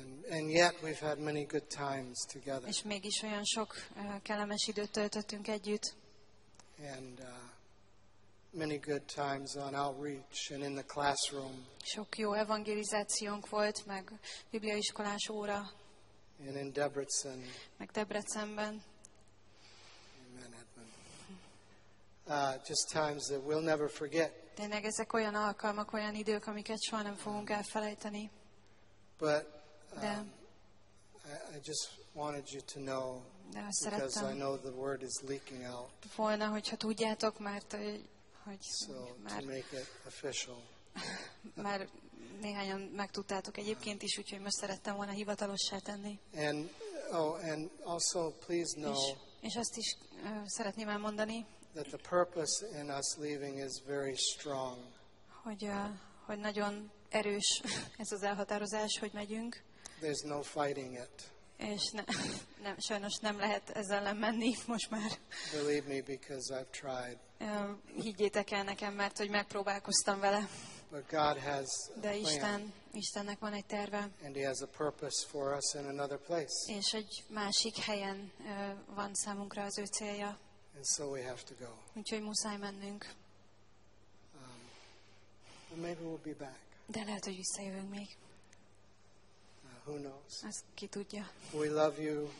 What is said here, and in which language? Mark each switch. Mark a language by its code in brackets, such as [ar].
[en] And yet we've had many good times together. [hu] És mégis olyan sok kellemes időt töltöttünk együtt. [en] And many good times on outreach and in the classroom. [hu] Sok jó evangelizációnk volt, meg bibliaiskolás óra. [en] And in Debrecen. [hu] Meg Debrecenben. [en] Amen, Edmund. Just times that we'll never forget. [hu] Tényleg ezek olyan alkalmak, olyan idők, amiket soha nem fogunk elfelejteni. [en] But I just wanted you to know, because I know the word is leaking out. [hu] Volna, hogyha tudjátok, mert hogy [en] so, [hu] már, [en] to make it official. [hu] Már néhányan megtudtátok egyébként is, úgyhogy most szerettem volna hivatalossá tenni. [en] And also please know, [hu] és azt is szeretném elmondani, [en] that the purpose in us leaving is very strong. [hu] Hogy nagyon erős ez az elhatározás, hogy megyünk. [en] There's no fighting it. [hu] És nem, sajnos nem lehet ezzel ellen menni most már. [en] Believe me, because I've tried. [hu] Higgyétek el nekem, mert hogy megpróbálkoztam vele. [en] But God has [hu] De Isten, Istennek van egy terve. [en] And he has a purpose for us in another place. [hu] És egy másik helyen van számunkra az ő célja. [en] And so we have to go. [hu] Úgyhogy muszáj mennünk. [en] But maybe we'll be back. [hu] De lehet, hogy visszajövünk még. [en] Who knows? [hu] Az ki tudja. [en] We love you.